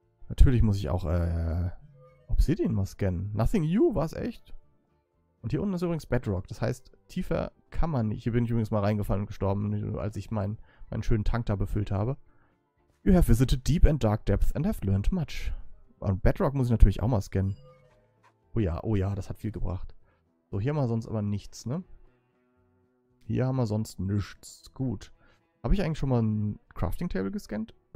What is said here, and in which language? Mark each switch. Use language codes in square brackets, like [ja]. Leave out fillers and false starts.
[de] Natürlich muss ich auch Obsidian mal scannen. [en] Nothing new, [de] war es echt? Und hier unten ist übrigens Bedrock. Das heißt, tiefer kann man nicht. Hier bin ich übrigens mal reingefallen und gestorben, als ich meinen schönen Tank da befüllt habe. [en] You have visited deep and dark depths and have learned much. [de] Und Bedrock muss ich natürlich auch mal scannen. Oh ja, das hat viel gebracht. So, hier haben wir sonst aber nichts, ne? Hier haben wir sonst nichts. Gut. Habe ich eigentlich schon mal ein Crafting Table gescannt?